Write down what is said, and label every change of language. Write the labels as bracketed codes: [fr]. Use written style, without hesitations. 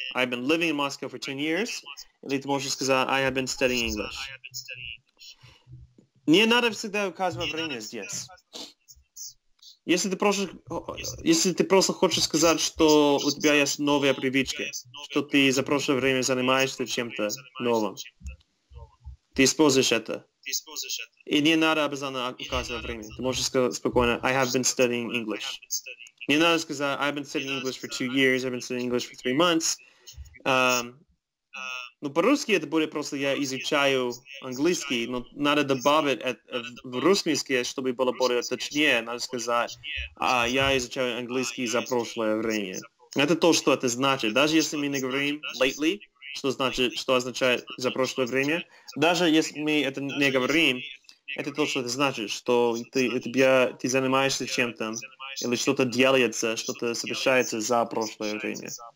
[en] I have been living in Moscow for 10 years. [ru] Или ты можешь сказать, [en] I have been studying English. [ru] Не надо всегда указывать время здесь. Если ты просто хочешь сказать, что у тебя есть новая привычка, что ты за прошлое время занимаешься чем-то новым, ты используешь это. И не надо обязательно указывать время. Ты можешь сказать спокойно, [en] I have been studying English. [ru] Не надо сказать, [en] I've been studying English for 2 years, I've been studying English for 3 months. [ru] Ну, по-русски это будет просто, я изучаю английский, но надо добавить в русском языке, чтобы было более точнее, надо сказать, я изучаю английский за прошлое время. Это то, что это значит. Даже если мы не говорим lately, что значит, что означает за прошлое время, даже если мы это не говорим, это то, что это значит, что ты занимаешься чем-то, или что-то делается, что-то совершается за прошлое время.